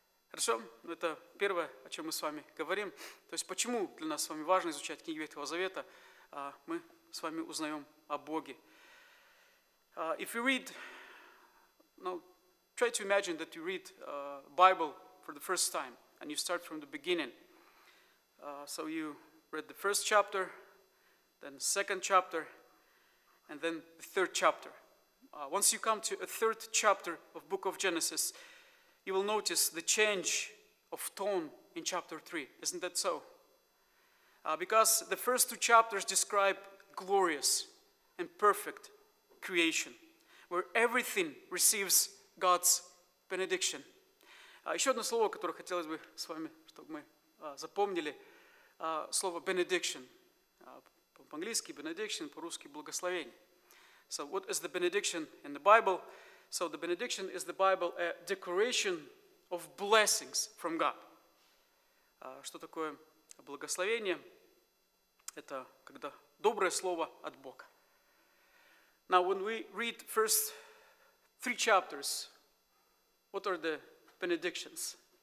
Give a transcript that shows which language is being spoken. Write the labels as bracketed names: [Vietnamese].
[Russian] Хорошо, это первое, о чем мы с вами говорим. То есть, почему для нас с вами важно изучать книги Ветхого Завета, мы с вами узнаем о Боге. [English] If you read, now try to imagine that you read Bible for the first time and you start from the beginning. So you read the first chapter, then the second chapter, and then the third chapter. Once you come to a third chapter of Book of Genesis, you will notice the change of tone in chapter 3. Isn't that so? Because the first two chapters describe glorious and perfect creation, where everything receives God's benediction. [Russian] Еще одно слово, которое хотелось бы с вами, чтобы мы запомнили, слово benediction. По-английски benediction, по-русски благословение. [English] So what is the benediction in the Bible? So the benediction is the Bible, a declaration of blessings from God. [Russian] Что такое благословение? Это когда доброе слово от Бога. [English] Now when we read first three chapters, what are the benedictions?